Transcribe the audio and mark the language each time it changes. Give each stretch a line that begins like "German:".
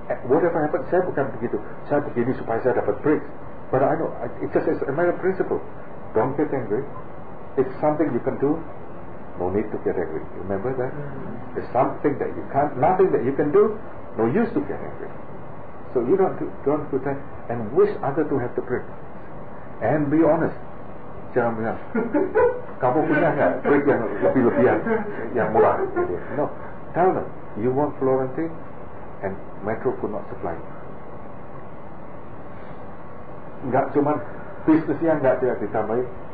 English: Whatever happened,
Indonesian: saya bukan begitu. Saya begini supaya saya dapat breaks.
English: But I know, it's just a matter of principle. Don't get angry. It's something you can do. No need to get angry. You remember that? Mm-hmm. It's something that you can't, nothing that you can do. No use to get angry. So you don't do that. And wish other to have the break. And be honest.
Indonesian: Jangan bilang, kamu punya gak break yang lebih-lebihan, yang murah.
English: No. Tell them, you want Florentine? And Metro could not supply.
Indonesian: Enggak cuma bisnisnya enggak tidak ditambahi.